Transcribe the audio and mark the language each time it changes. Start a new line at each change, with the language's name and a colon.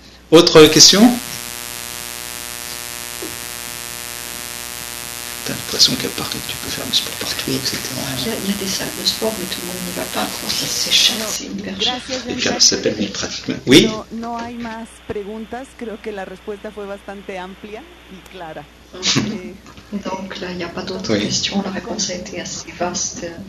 French: Autre question? T'as l'impression qu'à Paris, tu peux faire du sport partout, etc. Il y a des salles de sport, mais tout le monde n'y va pas. C'est cher, c'est hyper cher. Et puis, ça s'appelle une pratique. Oui?
Spanish: No hay más preguntas. Creo que la respuesta fue bastante amplia y clara.
French: Donc là, il n'y a pas d'autres questions. La réponse a été assez vaste.